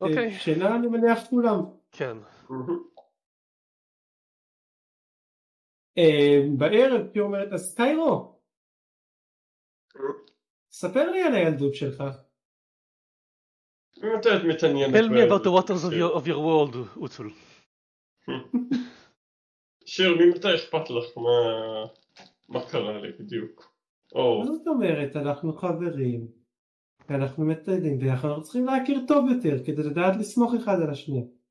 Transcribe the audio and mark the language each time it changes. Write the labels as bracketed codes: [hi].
[he] שינה אני מניח כולם. כן. בערב היא אומרת, אז קיירו, ספר לי על הילדות שלך. אם אתה מתעניינת... [en] Tell me about the waters of your world, אוצול. [he] שיר, ממתי אכפת לך מה קרה לי בדיוק? מה זאת אומרת, אנחנו חברים. אנחנו מתיידים ביחד, אנחנו צריכים להכיר טוב יותר כדי לדעת לסמוך אחד על השני.